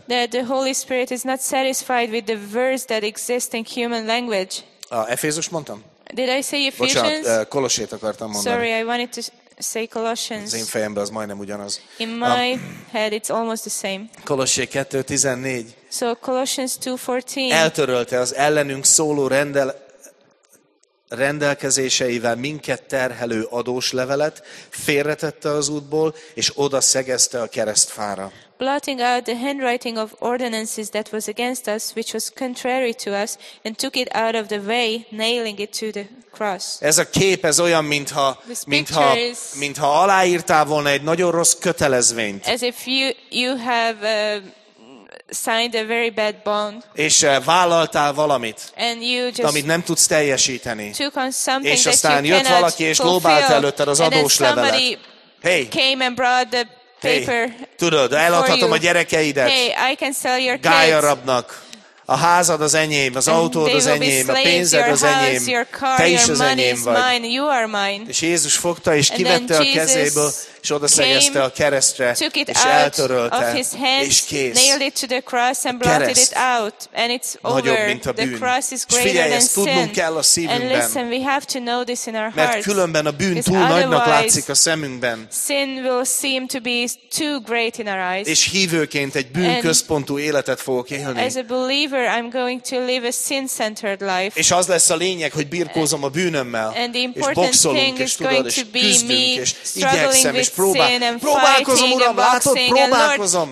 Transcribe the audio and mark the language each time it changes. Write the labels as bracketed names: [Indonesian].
[English] That the Holy Spirit is not satisfied with the words that exist in human language. [Hungarian] Ephesians mondtam. [English] Did I say Ephesians? [Hungarian] Bocsánat, Kolossét akartam mondani. [English] Sorry, I wanted to say Colossians. [Hungarian] Az én fejemben az majdnem ugyanaz. [English] In my head it's almost the same. [Hungarian] Kolossé 2:14. [English] So Colossians 2:14. [Hungarian] Eltörölte az ellenünk szóló rendelkezéseivel minket terhelő adós levelet, félretette az útból, és oda szegezte a keresztfára. [English] Blotting out the handwriting of ordinances that was against us, which was contrary to us, and took it out of the way, nailing it to the cross. [Hungarian] Ez a kép, ez olyan, mintha aláírtál volna egy nagyon rossz kötelezvényt. [English] As if you have signed a very bad bond. [Hungarian] És vállaltál valamit, [English] and you just [Hungarian] amit nem tudsz teljesíteni. [English] Took on something [Hungarian] és aztán jött valaki, és lóbált előtted az adós levelet. [English] Hey. Came and brought the paper. [Hungarian] Hey, tudod, eladhatom [English] you. [Hungarian] A gyerekeidet. [English] Hey, I can sell your kids. [Hungarian] Gája rabnak. A házad az enyém, az autód az enyém, a pénzed az enyém. Te is az enyém vagy. És Jézus fogta és kivette a kezéből, és oda szegezte a keresztre, és eltörölte, és kész. [English] Nailed it to the cross and blotted it out, and it's over. [Hungarian] Nagyobb, mint a bűn. [English] The cross is greater than sin. [Hungarian] És figyelj, tudnunk kell a szívünkben. [English] And listen, we have to know this in our hearts. [Hungarian] Mert különben a bűn túl nagynak látszik a szemünkben. [English] Sin will seem to be too great in our eyes. [Hungarian] És hívőként egy bűn központú életet fogok élni. [English] As a believer, I'm going to live a sin-centered life. [Hungarian] És az lesz a lényeg, hogy birkózom a bűnömmel. [English] And the important thing is going to be me struggling. [Hungarian] És próbálkozom, Uram, látod, próbálkozom.